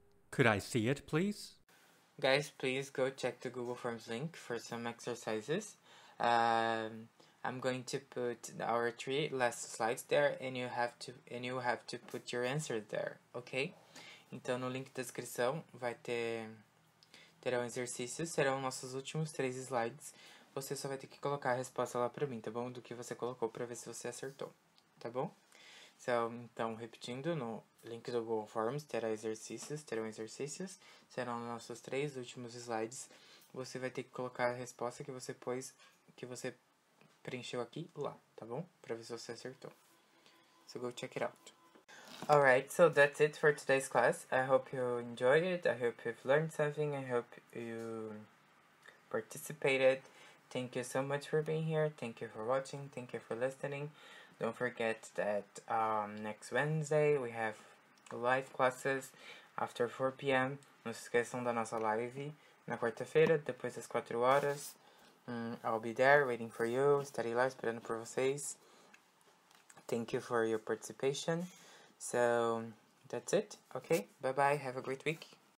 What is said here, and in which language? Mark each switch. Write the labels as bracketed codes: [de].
[en] Could I see it, please? Guys, please go check the Google Forms link for some exercises. I'm going to put our three last slides there, and you have to put your answer there, ok? [pt] Então, no link da descrição, vai terão exercícios, serão nossos últimos três slides. Você só vai ter que colocar a resposta lá pra mim, tá bom? Do que você colocou pra ver se você acertou, tá bom? Então, repetindo, no link do Google Forms, terão exercícios, serão nossos três últimos slides. Você vai ter que colocar a resposta que você pôs, que você preencheu aqui, lá, tá bom? [en] Pra ver se você acertou. So go check it out. Alright, so that's it for today's class. I hope you enjoyed it. I hope you've learned something. I hope you participated. Thank you so much for being here. Thank you for watching. Thank you for listening. Don't forget that next Wednesday we have live classes after 4 p.m. [pt] Não se esqueçam da nossa live na quarta-feira, depois das 4 horas. [en] I'll be there waiting for you, study live, esperando por vocês. Thank you for your participation. So, that's it. Okay, bye-bye. Have a great week.